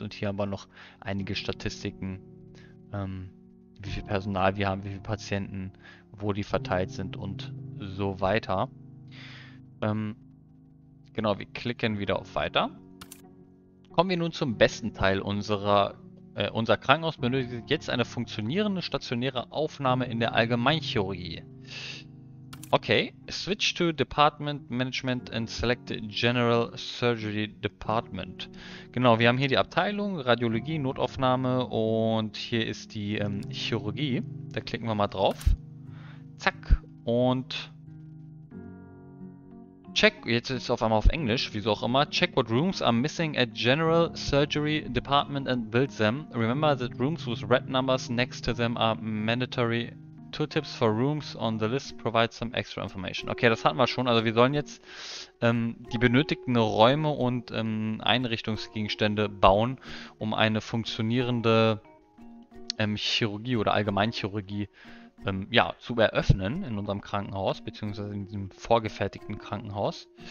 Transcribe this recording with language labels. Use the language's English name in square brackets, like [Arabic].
[German] Und hier haben wir noch einige Statistiken, wie viel Personal wir haben, wie viele Patienten, wo die verteilt sind und so weiter. Genau, wir klicken wieder auf Weiter. Kommen wir nun zum besten Teil unser Krankenhaus benötigt jetzt eine funktionierende stationäre Aufnahme in der Allgemeinchirurgie. [English] Okay, switch to Department Management and select General Surgery Department. [German] Genau, wir haben hier die Abteilung Radiologie, Notaufnahme und hier ist die Chirurgie. Da klicken wir mal drauf. Zack und check, jetzt ist es auf einmal auf Englisch, wieso auch immer. [English] Check what rooms are missing at General Surgery Department and build them. Remember that rooms with red numbers next to them are mandatory. Tooltips for rooms on the list provide some extra information. [German] Okay, das hatten wir schon. Also wir sollen jetzt die benötigten Räume und Einrichtungsgegenstände bauen, um eine funktionierende Chirurgie oder Allgemeinchirurgie ja, zu eröffnen in unserem Krankenhaus, beziehungsweise in diesem vorgefertigten Krankenhaus.